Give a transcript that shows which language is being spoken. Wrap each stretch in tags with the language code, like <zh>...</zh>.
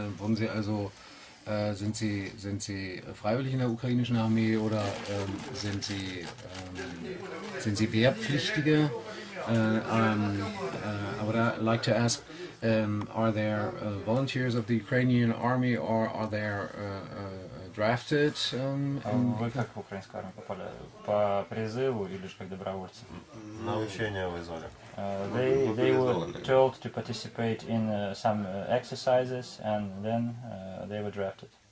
<de>Wurden Sie also, sind Sie freiwillig in der ukrainischen Armee oder sind Sie Wehrpflichtige?</de> <en>I would like to ask, are there volunteers of the Ukrainian Army or are there drafted?</en> <ru>Вы как в украинскую армию попали? По призыву или же как добровольцы? На учение вызвали.</ru> <en>They were told to participate in some exercises and then they were drafted.</en>